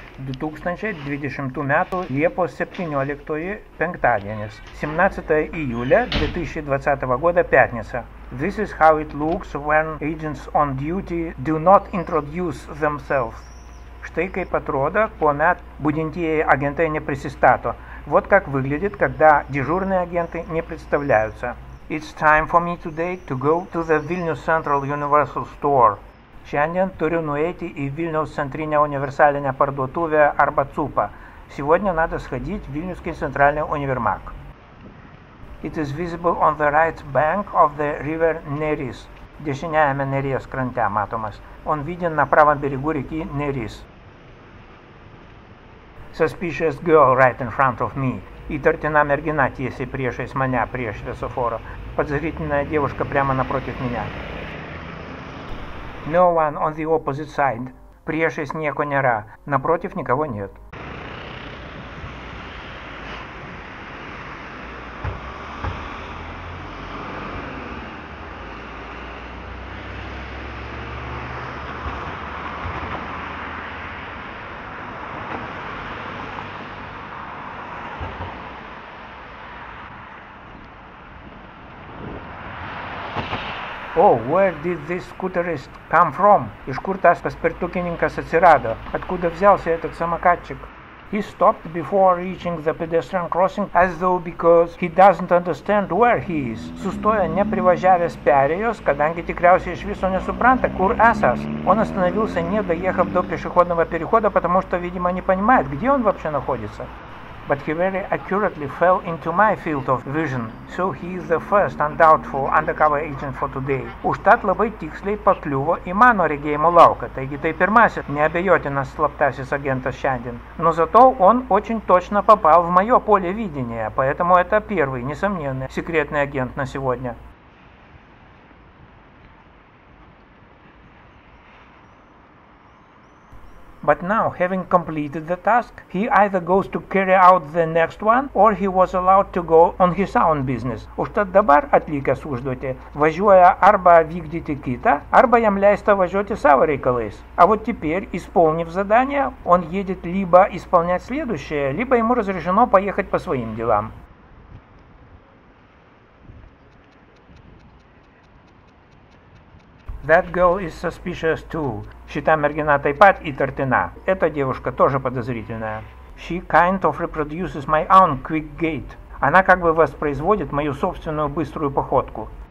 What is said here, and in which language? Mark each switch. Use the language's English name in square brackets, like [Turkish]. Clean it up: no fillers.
[Lithuanian] 2022 metų Liepos 17-ąjį penktadienis. [Russian] 17 июля 2020 года пятница. [English] This is how it looks when agents on duty do not introduce themselves. [Lithuanian] Štai kaip atrodo, kuomet budintieji агенты не присистато. [Russian] Вот как выглядит, когда дежурные агенты не представляются. [English] It's time for me today to go to the Vilnius Central Universal Store. [Lithuanian] Šiandien turiu nueiti į Vilniaus centrinę universalinę parduotuvę arba ЦУПą. [Russian] Сегодня надо сходить в Вильнюсский центральный универмаг. [English] It is visible on the right bank of the river Neris. [Lithuanian] Dešiniajame Neries krante matomas. [Russian] Он виден на правом берегу реки Neris. [English] Suspicious girl right in front of me. [Lithuanian] Įtartina mergina tiesiai priešais mane, prieš šviesoforą. [Russian] Подозрительная девушка прямо напротив меня. [English] No one on the opposite side. [Lithuanian] Priešais nieko nėra. [Russian] Напротив никого нет. [English] Oh, where did this scooterist come from? [Lithuanian] Iš kur tas paspirtukininkas atsirado? [Russian] Откуда взялся этот самокатчик? [English] He stopped before reaching the pedestrian crossing as though because he doesn't understand where he is. [Lithuanian] Sustojo neprivažiavęs perėjos, kadangi tikriausiai iš viso nesupranta, kur esas. [Russian] Он остановился, не доехав до пешеходного перехода, потому что, видимо, не понимает, где он вообще находится. [English] But he very accurately fell into my field of vision, so he is the first undoubtful undercover agent for today. [Lithuanian] Užtat labai tiksliai pakliuvo į mano regėjimo lauką, taigi tai pirmasis neabejotinas slaptasis agentas šiandien. [Russian] Но зато он очень точно попал в мое поле видения, поэтому это первый, несомненный, секретный агент на сегодня. [English] But now, having completed the task, he either goes to carry out the next one, or he was allowed to go on his own business. [Lithuanian] Užtat dabar atlikęs užduotį, važiuoja arba vykdyti kitą, arba jam leista važiuoti savo reikalais. [Russian] А вот теперь, исполнив задание, он едет либо исполнять следующее, либо ему разрешено поехать по своим делам. [English] That girl is suspicious too. [Lithuanian] Šita mergina taip pat įtartina. [Russian] Эта девушка тоже подозрительная. [English] She kind of reproduces my own quick gait. [Russian] Она как бы воспроизводит мою собственную быструю походку.